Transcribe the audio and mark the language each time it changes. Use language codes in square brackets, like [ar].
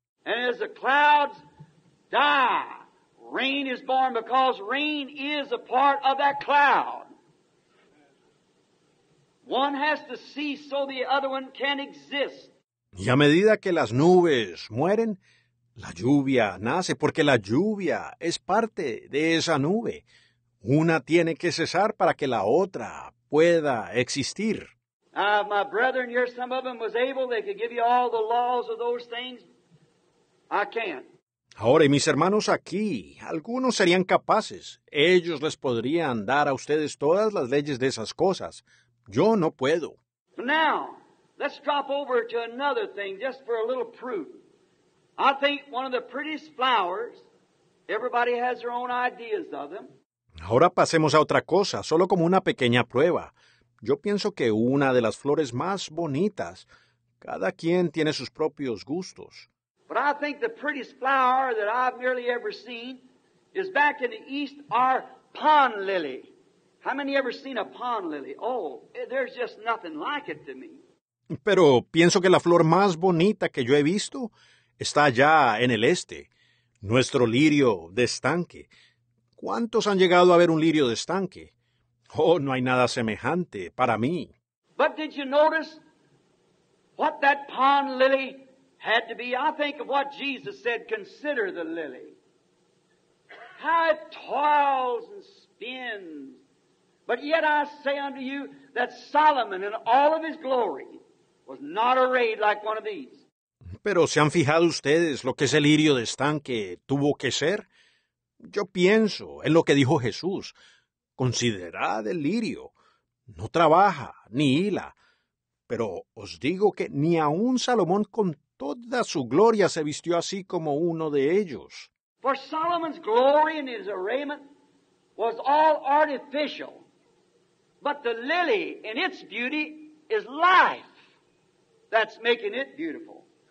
[en] And as the clouds die, rain is born because rain is a part of that cloud. One has to see so the other one can exist. [es] Y a medida que las nubes mueren, la lluvia nace, porque la lluvia es parte de esa nube. Una tiene que cesar para que la otra pueda existir. [en] My brethren, here some of them was able, they could give you all the laws of those things. I can't. [es] Ahora, y mis hermanos aquí, algunos serían capaces. Ellos les podrían dar a ustedes todas las leyes de esas cosas. Yo no puedo. [en] Now, let's drop over to another thing just for a little proof. I think one of the prettiest flowers, everybody has their own ideas of them. [es] Ahora pasemos a otra cosa, solo como una pequeña prueba. Yo pienso que una de las flores más bonitas, cada quien tiene sus propios gustos. [en] But I think the prettiest flower that I've nearly ever seen is back in the east, our pond lily. How many ever seen a pond lily? Oh, there's just nothing like it to me. [es] Pero pienso que la flor más bonita que yo he visto está allá en el este, nuestro lirio de estanque. ¿Cuántos han llegado a ver un lirio de estanque? Oh, no hay nada semejante para mí. [en] But did you notice what that pond lily had to be? I think of what Jesus said, consider the lily. How it toils and spins. But yet I say unto you that Solomon in all of his glory was not arrayed like one of these. [es] Pero ¿se han fijado ustedes lo que ese lirio de estanque tuvo que ser? Yo pienso en lo que dijo Jesús. Considerad el lirio. No trabaja ni hila. Pero os digo que ni aun Salomón con toda su gloria se vistió así como uno de ellos. [en] For Solomon's glory and his arrayment was all artificial. But the lily in its beauty is life that's making it beautiful.